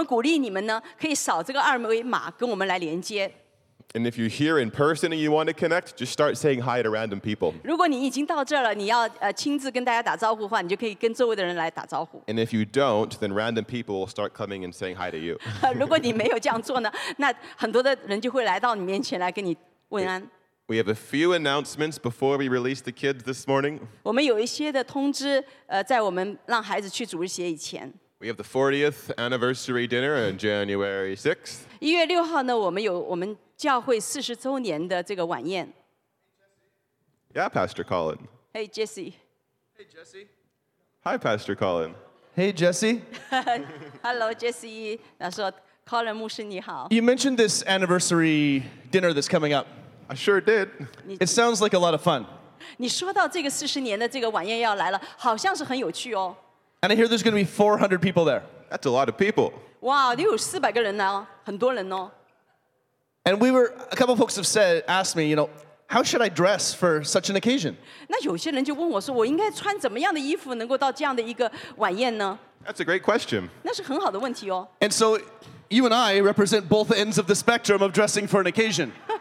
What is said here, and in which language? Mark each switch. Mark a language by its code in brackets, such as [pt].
[zh] 如果你们是第一次来我们教会的话，我们鼓励你们呢，可以扫这个二维码跟我们来连接。 [en] And if you're here in person and you want to connect, just start saying hi to random people. [zh] 如果你已经到这了，你要亲自跟大家打招呼的话，你就可以跟周围的人来打招呼。 [en] And if you don't, then random people will start coming and saying hi to you. [zh] 如果你没有这样做呢，那很多的人就会来到你面前来跟你问安。 [en] We have a few announcements before we release the kids this morning. [zh] 我们有一些的通知，在我们让孩子去主日学以前。 [en] We have the 40th anniversary dinner on January 6th. [zh] 1月6号呢，我们有我们 教会40周年的这个晚宴。 [en] Yeah, Pastor Colin. Hey, Jesse. Hey, Jesse. Hi, Pastor Colin. Hey, Jesse. Hello, Jesse. [zh] 他说 Colin 牧师你好。 [en] You mentioned this anniversary dinner that's coming up. I sure did. It sounds like a lot of fun. [zh] 你说到这个40年的这个晚宴要来了，好像是很有趣哦。 [en] And I hear there's going to be 400 people there. That's a lot of people. [zh] 哇，有400个人呢，很多人哦。 [en] And we were, a couple of folks have said, asked me, you know, how should I dress for such an occasion? [zh] 那有些人就问我说，我应该穿怎么样的衣服能够到这样的一个晚宴呢？ [en] That's a great question. [zh] 那是很好的问题哦。 [en] And so you and I represent both ends of the spectrum of dressing for an occasion.